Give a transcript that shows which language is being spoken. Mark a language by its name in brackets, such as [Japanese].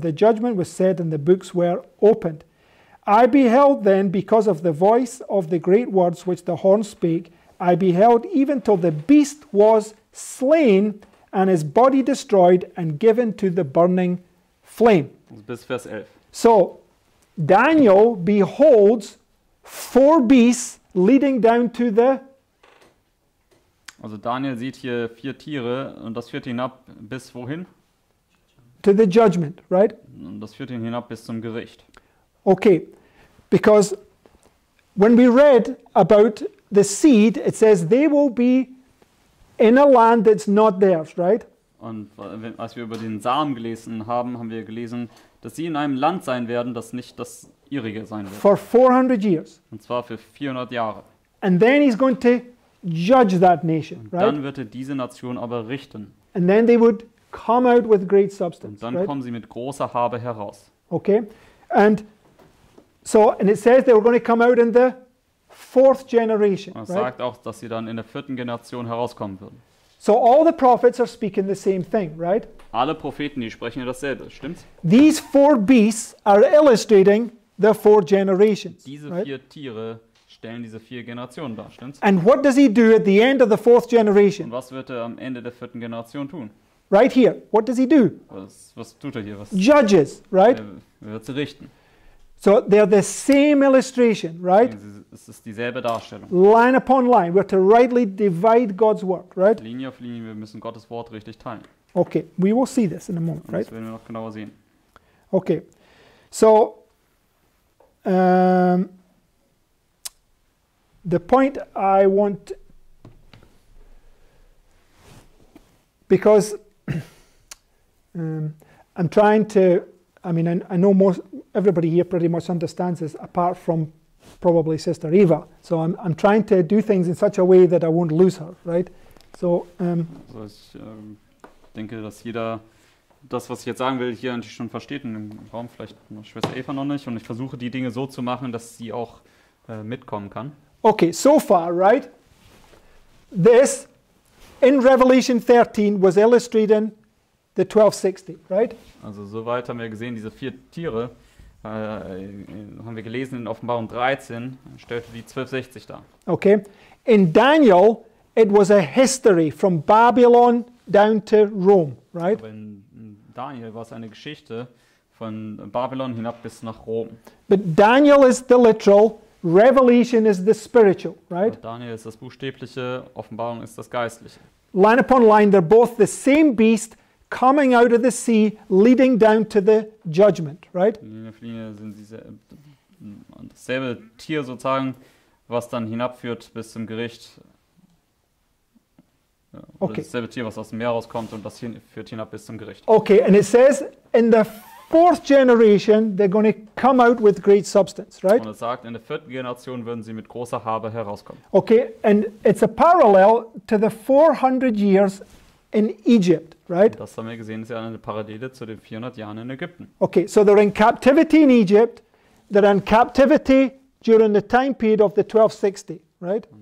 [English] The judgment was said, and the books were opened. I beheld then, because of the voice of the great words which the horn spake, I beheld even till the beast was slain and his body destroyed and given to the burning flame. [German] Bis Vers 11. [English] So, Daniel beholds four beasts leading down to the... [German] Also Daniel sieht hier vier Tiere und das führt ihn ab bis wohin? [English] To the judgment, right? [German] Und das führt ihn hinab bis zum Gericht. [English] Okay. Because when we read about the seed, it says they will be in a land that's not theirs, right? [German] Und als wir über den Samen gelesen haben, haben wir gelesen, dass sie in einem Land sein werden, das nicht das ihrige sein wird. [English] For 400 years. [German] Und zwar für 400 Jahre. [English] And then he's going to judge that nation, right? [German] Dann wird er diese Nation aber richten. [English] And then they would come out with great substance. [German] Und dann kommen sie mit großer Habe heraus. [English] Okay, and so, and it says they were going to come out in the fourth generation. [German] Und es [English] right? [German] sagt auch, dass sie dann in der vierten Generation herauskommen würden. [English] So all the prophets are speaking the same thing, right? [German] Alle Propheten, die sprechen dasselbe, stimmt's? [English] These four beasts are illustrating the four generations. [German] Diese vier [English] right? [German] Tiere stellen diese vier Generationen dar, stimmt's? [English] And what does he do at the end of the fourth generation? [German] Und was wird er am Ende der vierten Generation tun? [English] Right here. What does he do? [German] Was tut er hier? Was? [English] Judges, right? [German] Er wird sie richten. [English] So they're the same illustration, right? [German] Es ist dieselbe Darstellung. [English] Line upon line, we're to rightly divide God's word, right? [German] Linie auf Linie, wir müssen Gottes Wort richtig teilen. [English] Okay, we will see this in a moment, [German] das [English] right? [German] Das werden wir noch genauer sehen. [English] Okay, so the point I want, because I'm trying to, I mean, I know most everybody here pretty much understands this, apart from probably Sister Eva. So I'm trying to do things in such a way that I won't lose her, right? So, [German] also ich denke, dass jeder das, was ich jetzt sagen will, hier eigentlich schon versteht in dem Raum, vielleicht Schwester Eva noch nicht. Und ich versuche, die Dinge so zu machen, dass sie auch mitkommen kann. [English] Okay, so far, right? This, in Revelation 13, was illustrating the 1260, right? [German] Also soweit haben wir gesehen, diese vier Tiere, haben wir gelesen in Offenbarung 13, stellte die 1260 dar. [English] Okay, in Daniel, it was a history from Babylon down to Rome, right? [German] Aber in Daniel war es eine Geschichte von Babylon hinab bis nach Rom. [English] But Daniel is the literal, Revelation is the spiritual, right? [German] Aber Daniel ist das Buchstäbliche, Offenbarung ist das Geistliche. [English] Line upon line, they're both the same beast coming out of the sea, leading down to the judgment, right? [German] Linie für Linie sind sie dasselbe Tier sozusagen, was dann hinabführt bis zum Gericht. Ja, okay. Dasselbe Tier, was aus dem Meer rauskommt und das hin, führt hinab bis zum Gericht. [English] Okay, and it says, in the fourth generation, they're going to come out with great substance, right? [German] Und es sagt, in der vierten Generation würden sie mit großer Habe herauskommen. [English] Okay, and it's a parallel to the 400 years in Egypt, right? [German] Das haben wir gesehen, ist ja eine Parallele zu den 400 Jahren in Ägypten. [English] Okay, so they're in captivity in Egypt, they're in captivity during the time period of the 1260, right?